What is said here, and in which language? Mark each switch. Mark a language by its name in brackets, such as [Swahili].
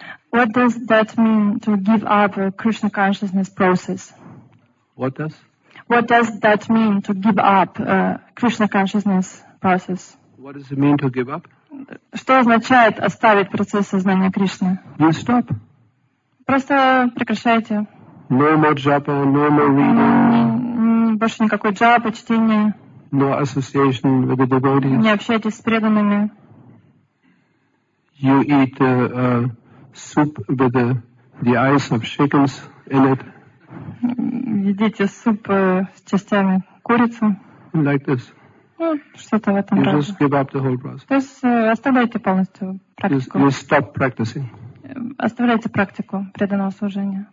[English] What does that mean to give up a Krishna consciousness process? What does? What does that mean to give up a Krishna consciousness process? What does it mean to give up? [Russian] Что означает оставить процесс сознания Кришны? [English] You stop. [Russian] Просто прекращайте. [English] No more japa, no more reading. [Russian] Больше никакой джапа, чтения. [English] No association with the devotees. [Russian] Не общайтесь с преданными. [English] You eat soup with the eyes of chickens in it. [Russian] Едите суп с частями курицы. [English] Like this. [Russian] Что-то в этом [English] you [Russian] роде. [English] Just give up the whole process. [Russian] То есть оставляйте полностью практику. [English] You stop practicing. [Russian] Оставляйте практику преданного служения.